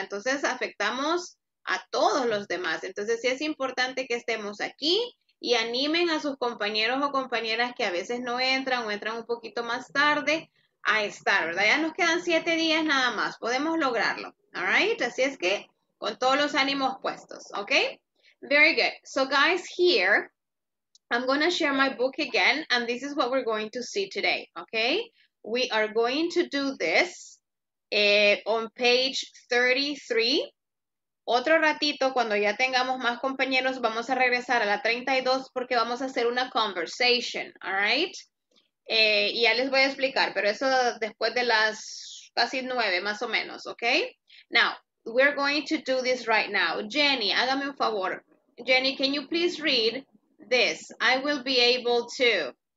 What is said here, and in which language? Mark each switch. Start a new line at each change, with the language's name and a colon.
Spanish: Entonces afectamos a todos los demás. Entonces sí es importante que estemos aquí, y animen a sus compañeros o compañeras que a veces no entran o entran un poquito más tarde a estar, ¿verdad? Ya nos quedan 7 días nada más, podemos lograrlo, all right? Así es que con todos los ánimos puestos, ¿ok?
English: Very good. So guys, here, I'm going to share my book again, and this is what we're going to see today, okay? We are going to do this on page 33.
Spanish: Otro ratito, cuando ya tengamos más compañeros, vamos a regresar a la 32 porque vamos a hacer una conversation, all right? Y ya les voy a explicar, pero eso después de las casi 9, más o menos, okay?
English: Now, we're going to do this right now. Jenny,
Spanish: hágame un favor.
English: Jenny, can you please read this? I will be able to.